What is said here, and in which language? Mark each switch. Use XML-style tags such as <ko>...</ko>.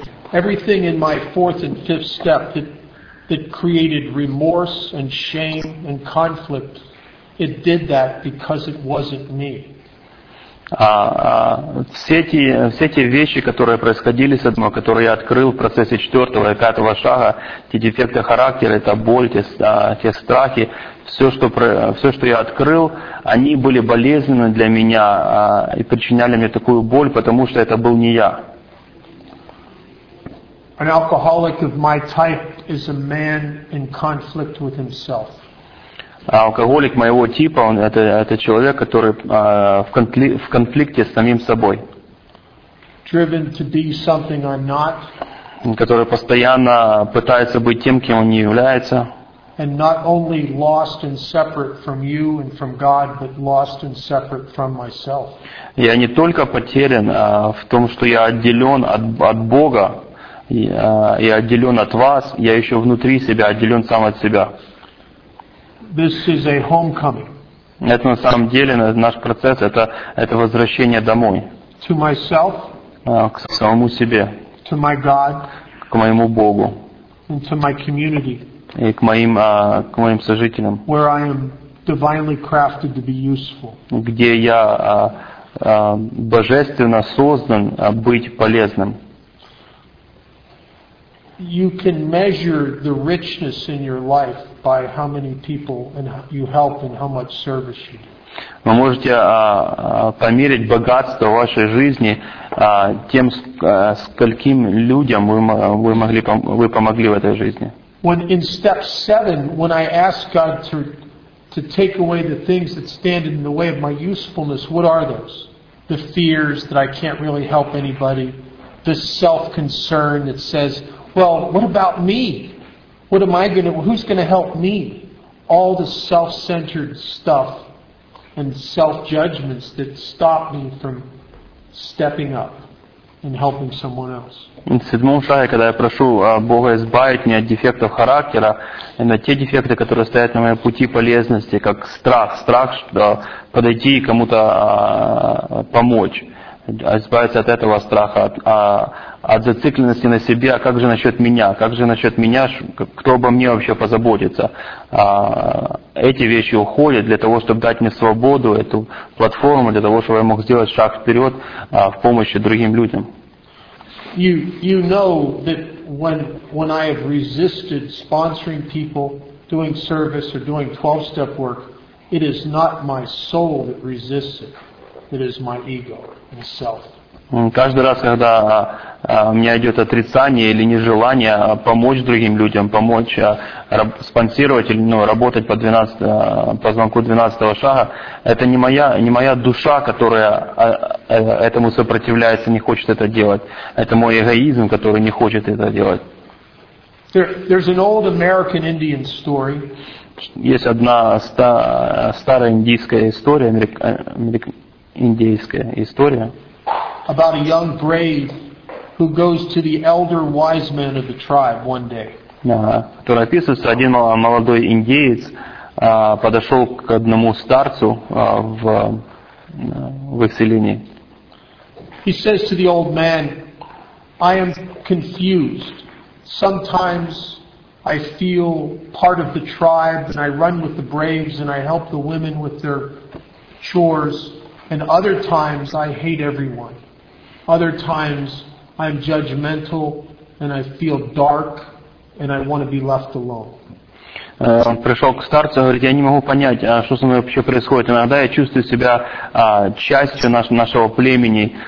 <en>Everything in my fourth and fifth step that created remorse and shame and conflict, it did that because it wasn't me.</en> <ru>Все эти вещи, которые происходили со мной, которые я открыл в процессе четвертого и пятого шага, те дефекты характера, эта боль, те страхи, все, что я открыл, они были болезненны для меня и причиняли мне такую боль, потому что это был не я.</ru> <en>An alcoholic of my type is a man in conflict with himself.</en> <ru>Алкоголик моего типа, он это человек, который в конфликте с самим собой.</ru> <en>Driven to be something I'm not.</en> <ru>Который постоянно пытается быть тем, кем он не является.</ru> <en>and not only lost and separate from you and from God, but lost and separate from myself.</en> <ru>Я не только потерян в том, что я отделен от Бога и отделен от вас, я еще внутри себя отделен сам от себя.</ru> <en>This is a homecoming.</en> <ru>Это на самом деле наш процесс, это возвращение домой.</ru> <en>To myself.</en> <ru>К самому себе.</ru> <en>To my God.</en> <ru>К моему Богу.</ru> <en>And to my community.</en> <ru>И к моим сожителям.</ru> <en>Where I am divinely crafted to be useful.</en> <ru>Где я божественно создан быть полезным.</ru> <en>You can measure the richness in your life by how many people and you help and how much service you do.</en> <ru>Вы можете померить богатство вашей жизни тем, скольким людям вы помогли в этой жизни.</ru> <en>When in step 7, when I ask God to take away the things that stand in the way of my usefulness, what are those? The fears that I can't really help anybody, the self-concern that says, well, what about me? Who's going to help me? All the self-centered stuff and self-judgments that stop me from stepping up and helping someone else.</en> <ru>В седьмом шаге, когда я прошу Бога избавить меня от дефектов характера, именно те дефекты, которые стоят на моем пути полезности, как страх, что подойти и кому-то помочь, избавиться от этого страха, от зацикленности на себе, как же насчет меня, кто обо мне вообще позаботится. Эти вещи уходят для того, чтобы дать мне свободу, эту платформу, для того, чтобы я мог сделать шаг вперед в помощи другим людям.</ru> <en>You know that when I have resisted sponsoring people, doing service or doing 12-step work, it is not my soul that resists it. It is my ego and self.</en> <ru>Каждый раз, когда у меня идет отрицание или нежелание помочь другим людям, помочь спонсировать или работать по звонку 12-го шага, это не моя душа, которая этому сопротивляется, не хочет это делать. Это мой эгоизм, который не хочет это делать.</ru> <en>There's an old American Indian story.</en> <ru>Есть одна старая индийская история, индийская история.</ru> <en>About a young brave who goes to the elder wise men of the tribe one day.</en> <ru>Который описывается, один молодой индеец подошел к одному старцу в их селении.</ru> <en>He says to the old man, I am confused. Sometimes I feel part of the tribe and I run with the braves and I help the women with their chores, and other times I hate everyone. Other times I'm judgmental and I feel dark and I want to be left alone.</en> <ru>Он пришел к старцу и говорит, я не могу понять, что со мной вообще происходит. Иногда я чувствую себя частью нашего племени.</ru>